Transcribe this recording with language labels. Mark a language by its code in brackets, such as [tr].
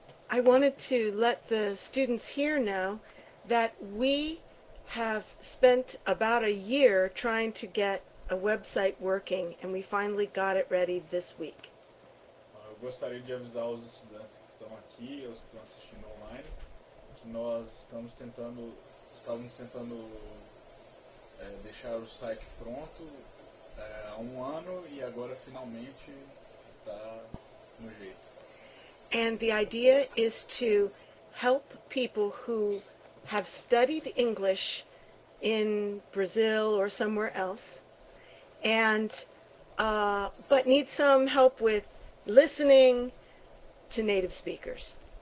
[en] I wanted to let the students here know that we have spent about a year trying to get a website working, and we finally got it ready this week. [pt] Eu gostaria de avisar os estudantes que estão aqui, os que estão assistindo online, que nós estamos tentando deixar o site pronto há um ano e agora finalmente está no jeito. [en] And the idea is to help people who have studied English in Brazil or somewhere else, and but need some help with listening to native speakers.